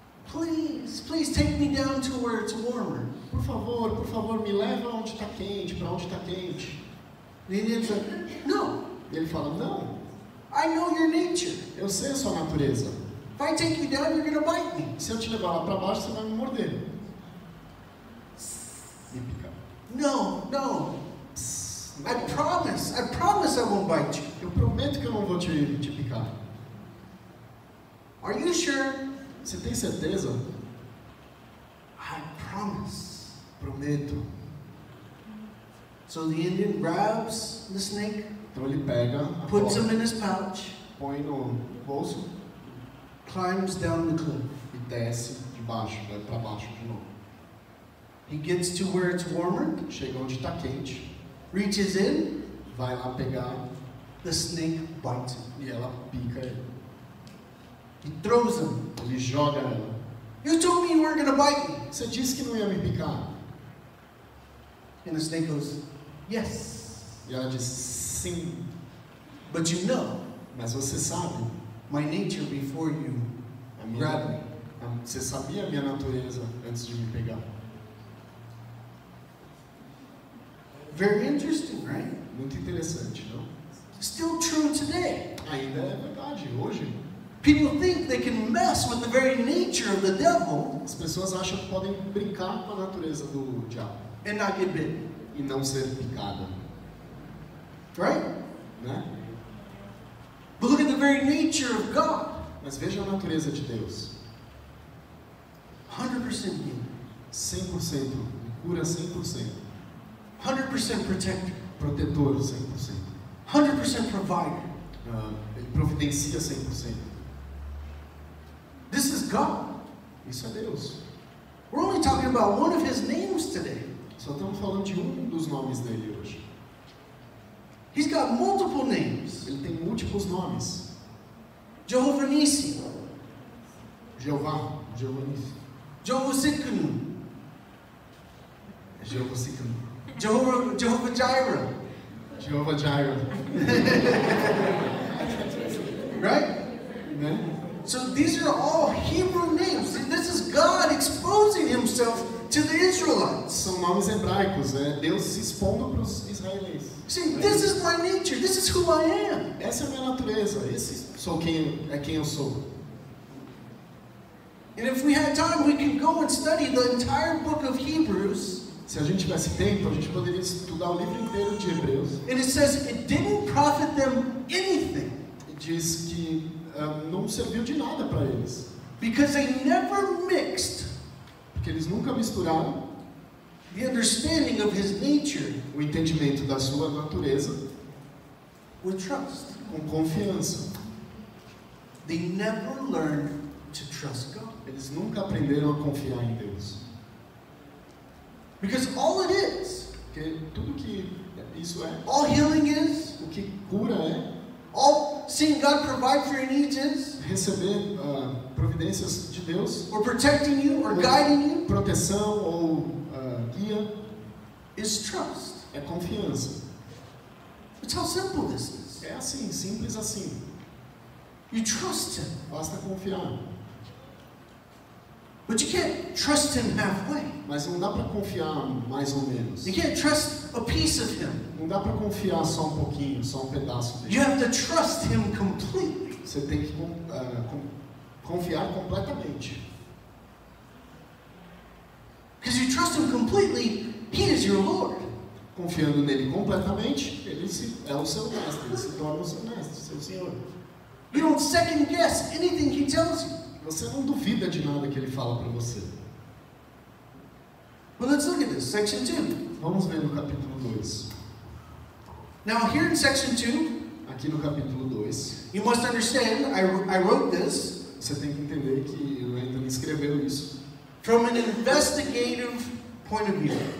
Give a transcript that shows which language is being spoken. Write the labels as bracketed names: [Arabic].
[English] Please, please take me down to where it's warmer. [Portuguese] Por favor, me leva onde está quente, para onde está quente. [English] The Indian said, no. [Portuguese] E ele fala, não. [English] I know your nature. [Portuguese] Eu sei a sua natureza. [English] If I take you down, you're gonna bite me. [Portuguese] Se eu te levar lá para baixo, você vai me morder. Me pica. [English] No, no. I promise I won't bite you. [Portuguese] Eu prometo que eu não vou te picar. [English] Are you sure? [Portuguese] Você tem certeza? [English] I promise. [Portuguese] Prometo. [English] So the Indian grabs the snake. [Portuguese] Então ele pega, [English] puts him in his pouch, [Portuguese] põe no bolso, [English] climbs down the cliff, [Portuguese] e desce de baixo, vai para baixo de novo. [English] He gets to where it's warmer, [Portuguese] chega onde está quente, [English] reaches in, [Portuguese] vai lá pegar, [English] the snake bites him, [Portuguese] e ela pica ele. [English] He throws him, [Portuguese] ele joga ela. [English] You told me you weren't gonna bite me. [Portuguese] Você disse que não ia me picar. [English] And the snake goes, yes. [Portuguese] E ela diz, sim. [English] But you know, [Portuguese] mas você sabe, [English] my nature before you grab me. [Portuguese] Você sabia a minha natureza antes de me pegar. [English] Very interesting, right? [Portuguese] Muito interessante, não? [English] Still true today. [Portuguese] Ainda é verdade hoje. [English] People think they can mess with the very nature of the devil. [Portuguese] As pessoas acham que podem brincar com a natureza do diabo. [English] And not get bit. [Portuguese] E não ser picada. [English] Right? [Portuguese] Né? [English] But look at the very nature of God. [Portuguese] Mas veja a natureza de Deus. [English] 100% healer. [Portuguese] 100%. Cura 100%. [English] 100% protector. [Portuguese] Protetor 100%. [English] 100% provider. [Portuguese] Ele providencia 100%. [English] This is God. [Portuguese] Isso é Deus. [English] We're only talking about one of his names today. [Portuguese] Só estamos falando de um dos nomes dele hoje. [English] He's got multiple names. [Portuguese] Ele tem múltiplos nomes. [English] Jehovah Nissi. [Portuguese] Jehovah Sikkim. [English] Jehovah Jireh. [Portuguese] Jehovah Jireh. [English] Right? [Portuguese] Amen. [English] So these are all Hebrew names. And this is God exposing himself to the Israelites. [Portuguese] São nomes hebraicos, é Deus se expondo para os israelitas. [English] See, this is my nature. This is who I am. [Portuguese] Essa é a minha natureza. Esse sou quem é quem eu sou. [English] And if we had time, we could go and study the entire book of Hebrews. [Portuguese] Se a gente tivesse tempo, a gente poderia estudar o livro inteiro de Hebreus. [English] And it says it didn't profit them anything. [Portuguese] Diz que não serviu de nada para eles. [English] Because they never mixed. [Portuguese] Porque eles nunca misturaram. [English] The understanding of his nature. [Portuguese] O entendimento da sua natureza. [English] With trust. [Portuguese] Com confiança. [English] They never learned to trust God. [Portuguese] Eles nunca aprenderam a confiar em Deus. [English] Because all it is, [Portuguese] que tudo que isso é, [English] all healing is, [Portuguese] o que cura é, [English] all seeing God provide for your needs is, [Portuguese] receber providências de Deus, [English] or protecting you, or guiding you, [Portuguese] proteção ou guia, [English] is trust, [Portuguese] é confiança. [English] It's how simple this is. [Portuguese] É assim, simples assim. [English] You trust him. [Portuguese] Basta confiar. [English] But you can't trust him halfway. [Portuguese] Mas não dá para confiar mais ou menos. [English] You can't trust a piece of him. [Portuguese] Não dá para confiar só um pouquinho, só um pedaço dele. [English] You have to trust him completely. [Portuguese] Você tem que confiar completamente. [English] Because you trust him completely, he is your Lord. [Portuguese] Confiando nele completamente, ele é o seu mestre. Ele se torna o seu mestre, seu Senhor. [English] You don't second guess anything he tells you. [Portuguese] Você não duvida de nada que ele fala para você. [English] Well, let's look at this, section 2. [Portuguese] Vamos ver no capítulo 2. [English] Now, here in section 2, [Portuguese] aqui no capítulo 2, [English] you must understand, I wrote this. [Portuguese] Você tem que entender que o Anthony escreveu isso. [English] From an investigative point of view.